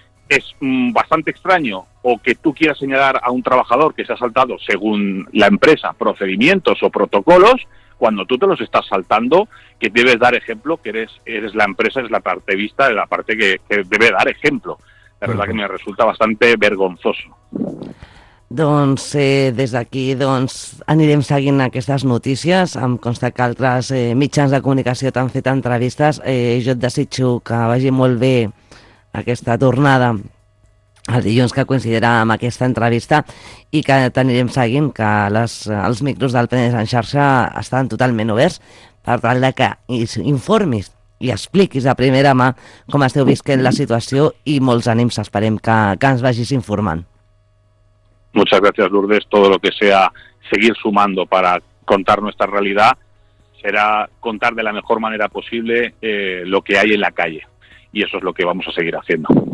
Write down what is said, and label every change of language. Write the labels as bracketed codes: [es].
[es] Es bastante extraño o que tú quieras señalar a un trabajador que se ha saltado, según la empresa, procedimientos o protocolos, cuando tú te los estás saltando, que debes dar ejemplo, que eres la empresa, eres la parte vista, la parte que debe dar ejemplo. La verdad que me resulta bastante vergonzoso. [ca] Doncs des d'aquí doncs anirem seguint aquestes notícies. Em consta que altres mitjans de comunicació t'han fet entrevistes. Jo et desitjo que vagi molt bé aquesta tornada el dilluns, que coincidirà amb aquesta entrevista, i que t'anirem seguint, que els micros del Penedès en Xarxa estan totalment oberts per tal de que informis i expliquis de primera mà com esteu visquent la situació, i molts ànims, esperem que ens vagis informant. [es] Muchas gracias, Lourdes. Todo lo que sea seguir sumando para contar nuestra realidad será contar de la mejor manera posible lo que hay en la calle. Y eso es lo que vamos a seguir haciendo.